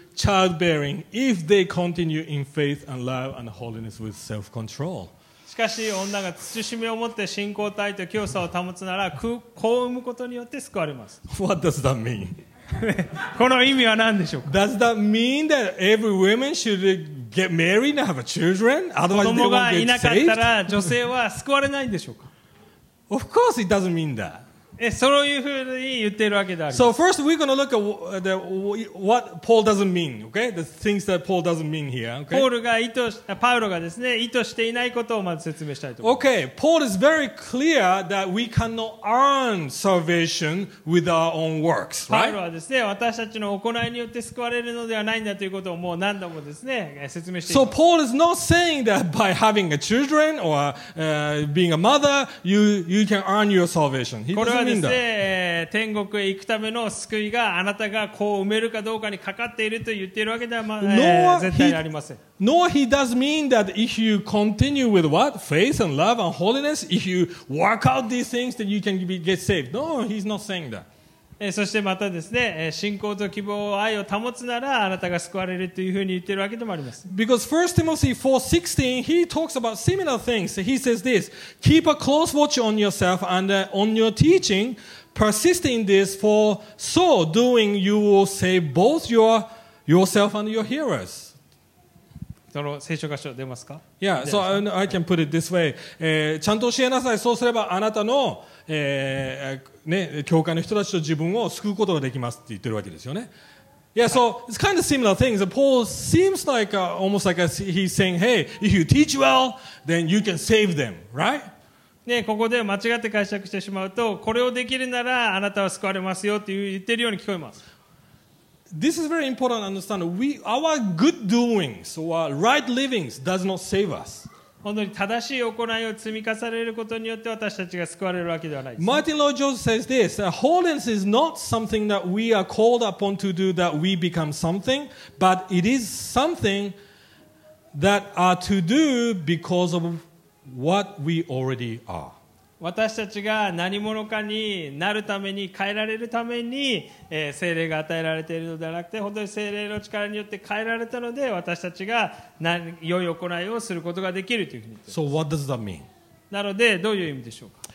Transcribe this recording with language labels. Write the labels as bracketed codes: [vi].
[en] Childbearing, if they continue in faith and love and holiness with self-control. [ja] しかし女が慎みを持って信仰と愛と清さを保つなら子を産むことによって救われます。 [en] What does that mean? [ja] この意味は何でしょうか? [en] Does that mean that every woman should get married and have children? Otherwise, they won't get saved? [ja] 子供がいなかったら女性は救われないんでしょうか? [en] Of course, it doesn't mean that. [ja] そういうふうに言っているわけであります。 [en] So first we're going to look at the, what Paul doesn't mean, okay? The things that Paul doesn't mean here, okay? [ja] パウロがですね、意図していないことをまず説明したいと思います。 [en] Okay, Paul is very clear that we cannot earn salvation with our own works, right? [ja] パウロはですね、私たちの行いによって救われるのではないんだということをもう何度もですね、説明しています。 [en] So Paul is not saying that by having a children or being a mother, you can earn your salvation. He doesn't. [ja] 天国へ行くための救いがあなたが子を産めるかどうかにかかっていると言っているわけではありません。 [en] Nor he does mean that if you continue with what? Faith and love and holiness, if you work out these things, then you can get saved. No, he's not saying that. [ja] そしてまたですね、信仰と希望、愛を保つならあなたが救われるというふうに言っているわけでもあります。 [en] Because 1 Timothy 4:16, he talks about similar things. He says this, keep a close watch on yourself and on your teaching, persist in this, for so doing you will save both yourself and your hearers. [ja] その聖書箇所出ますか? [en] Yeah, so I can put it this way. [ja] ちゃんと教えなさい。そうすればあなたの、ね、教会の人たちと自分を救うことができますって言ってるわけですよね。 [en] Yeah, so it's kind of similar things. Paul seems like, almost like he's saying, hey, if you teach well, then you can save them, right? [ja] ね、ここで間違って解釈してしまうと、これをできるならあなたは救われますよと言っているように聞こえます。 [en] This is very important to understand. Our good doings, our right livings, does not save us. [ja] 本当に正しい行いを積み重ねることによって私たちが救われるわけではないです、ね。 [en] Martin Lloyd-Jones says this: holiness is not something that we are called upon to do that we become something, but it is something that are to do because of. What we already are. [ja] 私たちが何者かになるために変えられるために、聖霊が与えられているのではなくて本当に聖霊の力によって変えられたので私たちが良い行いをすることができるというふうに言っています [en] 。 So what does that mean? [ja] なのでどういう意味でしょうか?